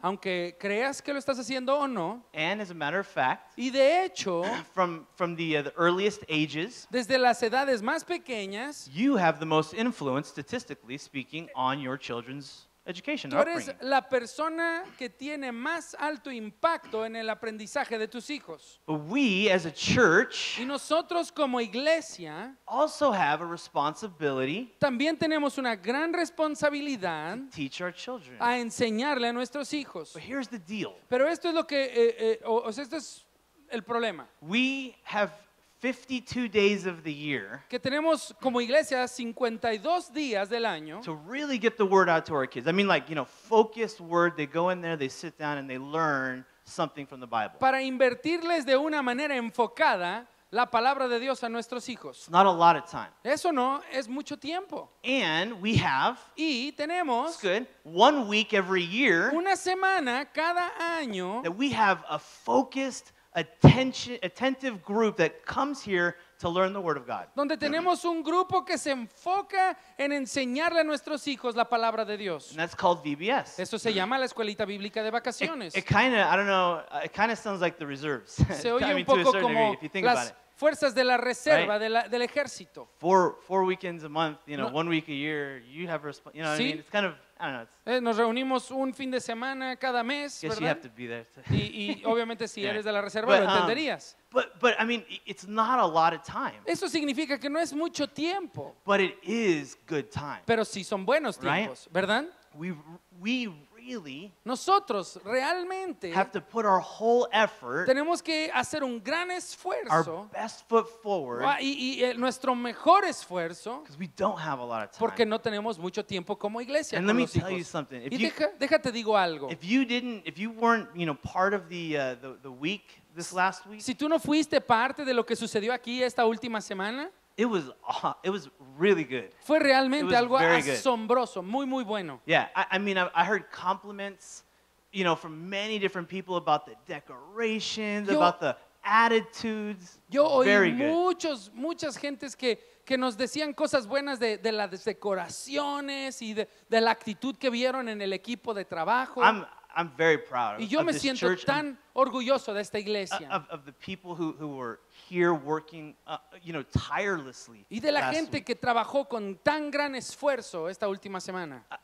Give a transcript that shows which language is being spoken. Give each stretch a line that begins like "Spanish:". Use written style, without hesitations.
Spanish: aunque creas que lo estás haciendo o no,
English: and as a matter of fact,
Spanish: y de hecho,
English: from the earliest ages,
Spanish: desde las edades más pequeñas,
English: you have the most influence, statistically speaking, on your children's education,
Spanish: tú eres la persona que tiene más alto impacto en el aprendizaje de tus hijos.
English: But we, as a church,
Spanish: y nosotros como iglesia,
English: also have a responsibility,
Spanish: también tenemos una gran responsabilidad,
English: to teach our children,
Spanish: a enseñarle a nuestros hijos.
English: But here's the deal.
Spanish: Pero esto es lo que, esto es el problema.
English: We have 52 days of the year,
Spanish: que tenemos como iglesia 52 días del año,
English: to really get the word out to our kids. I mean, like, you know, focused word. They go in there, they sit down, and they learn something from the Bible.
Spanish: Para invertirles de una manera enfocada la palabra de Dios a nuestros hijos.
English: It's not a lot of time.
Spanish: Eso no es mucho tiempo.
English: And we have,
Spanish: y tenemos,
English: it's good, 1 week every year,
Spanish: una semana cada año,
English: that we have a focused, attentive group that comes here to learn the word of God.
Spanish: Donde tenemos un grupo que se enfoca en enseñarle a nuestros hijos la palabra de Dios.
English: And that's called VBS.
Spanish: Eso se llama la escuelita bíblica de vacaciones.
English: It kind of sounds like the reserves.
Spanish: Se oye un poco como las fuerzas de la reserva, right? del ejército.
English: Four weekends a month, you know, no. 1 week a year, you have responsibility. You know,
Spanish: ¿sí?
English: I mean, it's kind of, I don't know.
Spanish: Nos reunimos un fin de semana cada mes,
English: guess,
Spanish: ¿verdad?
English: You have to be there.
Spanish: Y obviamente si yeah. eres de la reserva, but, lo entenderías.
English: But I mean, it's not a lot of time.
Spanish: Eso significa que no es mucho tiempo.
English: But it is good time.
Spanish: Pero sí son buenos tiempos,
English: right?
Spanish: ¿Verdad?
English: We really,
Spanish: nosotros realmente,
English: have to put our whole effort,
Spanish: tenemos que hacer un gran esfuerzo,
English: our best foot forward,
Spanish: y nuestro mejor esfuerzo,
English: because we don't have a lot of time,
Spanish: porque no tenemos mucho tiempo como iglesia.
English: And let me tell you something.
Spanish: Y déjate digo algo.
English: If you weren't, you know, part of the week this last week,
Spanish: si tú no fuiste parte de lo que sucedió aquí esta última semana,
English: It was really good.
Spanish: Fue realmente algo asombroso, muy muy bueno.
English: Yeah, I mean I heard compliments, you know, from many different people about the decorations, about the attitudes.
Spanish: Yo oí muchas gentes que nos decían cosas buenas de las decoraciones y de la actitud que vieron en el equipo de trabajo.
English: I'm very proud of this church.
Spanish: Y yo me siento tan orgulloso de esta iglesia.
English: Of the people who were here working, you know, tirelessly.
Spanish: Y de la gente que trabajó con tan gran esfuerzo esta última semana.